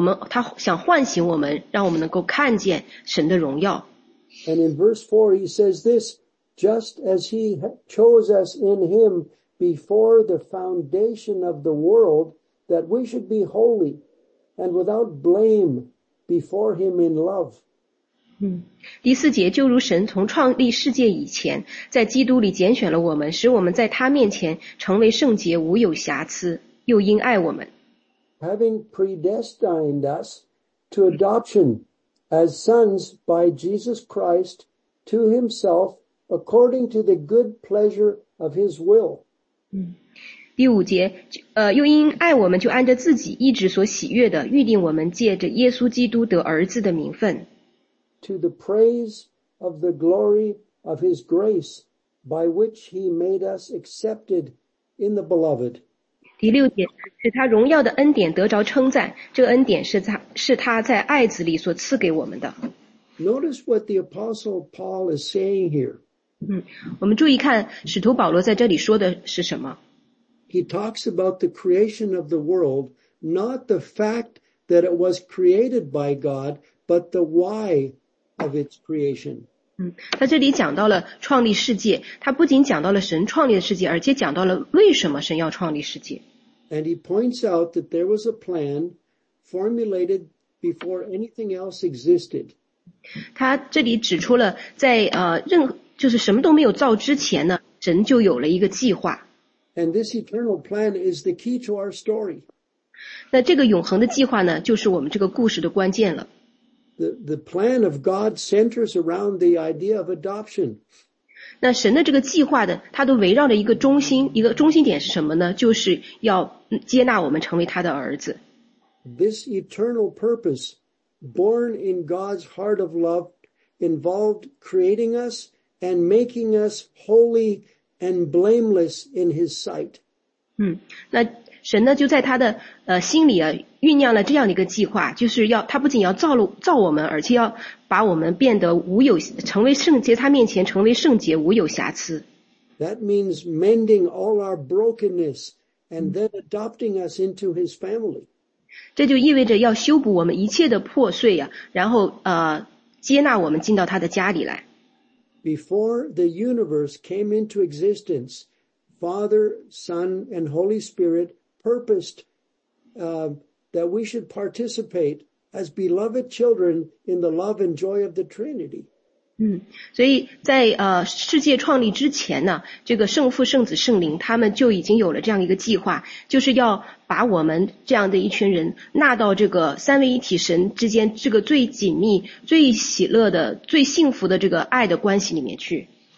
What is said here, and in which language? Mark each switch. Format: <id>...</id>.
<zh>他想唤醒我们，让我们能够看见神的荣耀。</zh> <en>And in verse 4, he says this, just as he chose us in him before the foundation of the world, that we should be holy and without blame before him in love.</en> <zh>第四节，就如神从创立世界以前，在基督里拣选了我们，使我们在他面前成为圣洁，无有瑕疵，又因爱我们。</zh> <en>Having predestined us to adoption as sons by Jesus Christ to himself according to the good pleasure of his will.</en> <zh>第五节，又因爱我们就按着自己意志所喜悦的预定我们借着耶稣基督得儿子的名分。</zh> <en>To the praise of the glory of his grace by which he made us accepted in the beloved.</en> <zh>第六点是他荣耀的恩典得着称赞，这个恩典是他在爱子里所赐给我们的。</zh> <en>Notice what the apostle Paul is saying here.</en> <zh>我们注意看使徒保罗在这里说的是什么。</zh> <en>He talks about the creation of the world, not the fact that it was created by God, but the why of its creation.</en> <zh>他这里讲到了创立世界，他不仅讲到了神创立的世界，而且讲到了为什么神要创立世界。</zh> <en>And he points out that there was a plan formulated before anything else existed.</en> <zh>他这里指出了在任就是什么都没有造之前呢，神就有了一个计划。</zh> <en>And this eternal plan is the key to our story.</en> <zh>那这个永恒的计划呢，就是我们这个故事的关键了。</zh> <en>The plan of God centers around the idea of adoption.</en> <zh>那神的这个计划的，它都围绕着一个中心，一个中心点是什么呢？就是要接纳我们成为他的儿子。</zh> <en>This eternal purpose born in God's heart of love involved creating us and making us holy and blameless in his sight.</en> <zh>那神呢就在他的心里啊酝酿了这样的一个计划，就是要他不仅要造我们，而且要把我们变得无有成为圣洁，他面前成为圣洁无有瑕疵。</zh> <en>That means mending all our brokenness and then adopting us into his family.</en> <zh>这就意味着要修补我们一切的破碎啊，然后接纳我们进到他的家里来。</zh> <en>Before the universe came into existence, Father, Son, and Holy Spirit purposed, that we should participate as beloved children in the love and joy of the Trinity.</en> <zh>所以在世界创立之前呢，这个圣父、圣子、圣灵他们就已经有了这样一个计划，就是要把我们这样的一群人纳到这个三位一体神之间这个最紧密、最喜乐的、最幸福的这个爱的关系里面去。</zh>